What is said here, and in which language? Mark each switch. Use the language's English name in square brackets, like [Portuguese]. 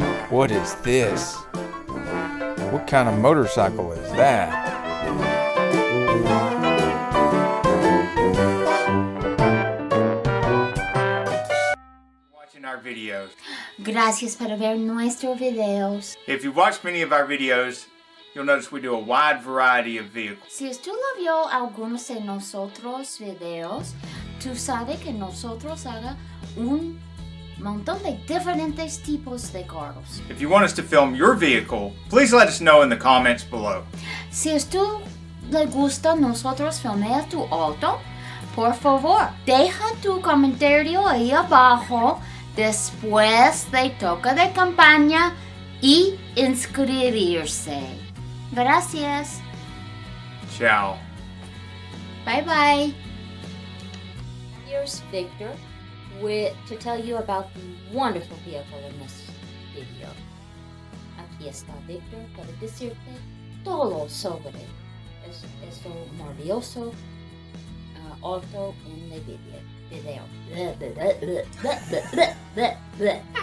[English] What is this? What kind of motorcycle is that? Watching our videos. [Spanish] Gracias por ver nuestros videos. [English] If you watch many of our videos, you'll notice we do a wide variety of vehicles. [Spanish] Si tú lo vio algunos de nosotros videos, tú sabes que nosotros haga un montón de diferentes tipos de carros. [English] If you want us to film your vehicle, please let us know in the comments below. [Spanish] Si a tú le gusta nosotros filmar tu auto, por favor, deja tu comentario ahí abajo después de toque de campaña y inscribirse. Gracias. Ciao. [English] Bye bye. Here's Victor to tell you about the wonderful vehicle in this video. [Spanish] Aquí está Victor para decirte todo sobre este maravilloso auto en el video.